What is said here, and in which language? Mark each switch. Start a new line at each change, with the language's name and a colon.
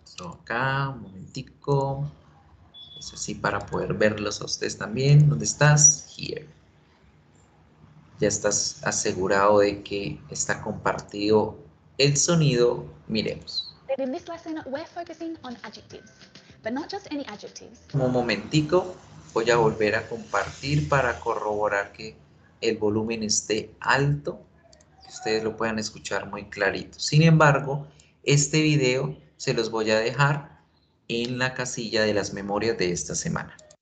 Spanish: Acá, un momentico. Es así para poder verlos a ustedes también. ¿Dónde estás?
English: Here.
Spanish: Ya estás asegurado de que está compartido el sonido. Miremos.
English: In this lesson, we're focusing on adjectives, but not just any adjectives.
Spanish: Un momentico. Voy a volver a compartir para corroborar que el volumen esté alto, que ustedes lo puedan escuchar muy clarito. Sin embargo, este video se los voy a dejar en la casilla de las memorias de esta semana.